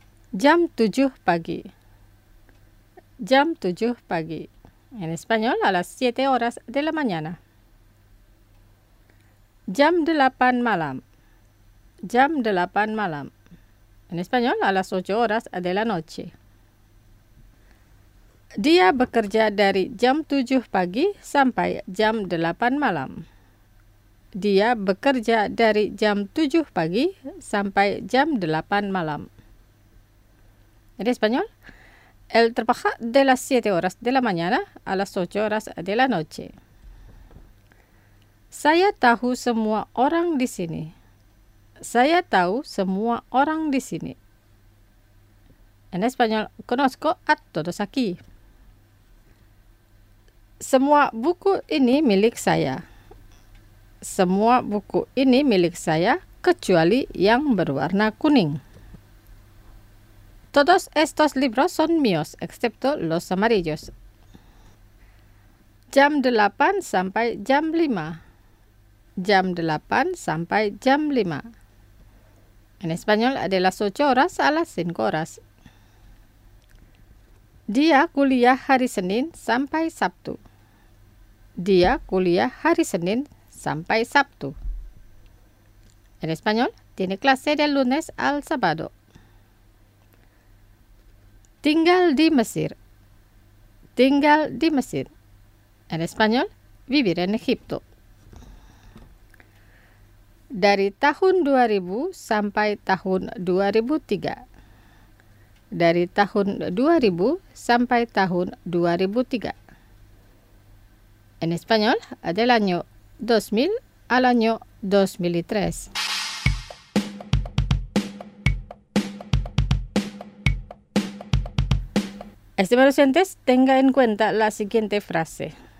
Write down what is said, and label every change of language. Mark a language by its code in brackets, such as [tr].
[id] Jam 7 pagi. Jam 7 pagi. [es] En español, a las 7 horas de la mañana. [id] Jam 8 malam. Jam 8 malam. [es] En español, a las 8 horas de la noche. [id] Dia bekerja dari jam 7 pagi sampai jam 8 malam. Dia bekerja dari jam 7 pagi sampai jam 8 malam. [es] En español, él trabaja de las 7 horas de la mañana a las 8 horas de la noche. [id] Saya tahu semua orang di sini. Saya tahu semua orang di sini. [es] En español, conozco a todos aquí. [id] Semua buku ini milik saya. Semua buku ini milik saya, kecuali yang berwarna kuning. [es] Todos estos libros son míos, excepto los amarillos. [id] Jam 8 sampai jam 5. Jam 8 sampai jam 5. [es] En español, de las 8 horas a las 5 horas. [id] Dia kuliah hari Senin sampai Sabtu. Dia kuliah hari Senin sampai Sabtu. [es] En español, tiene clase del lunes al sábado. [id] Tinggal di Mesir. Tinggal di Mesir. [es] En español, vivir en Egipto. [id] Dari tahun 2000 sampai tahun 2003. Dari tahun 2000 sampai tahun 2003. [es] En español, del año 2000 al año 2003. Estimados oyentes, tenga en cuenta la siguiente frase.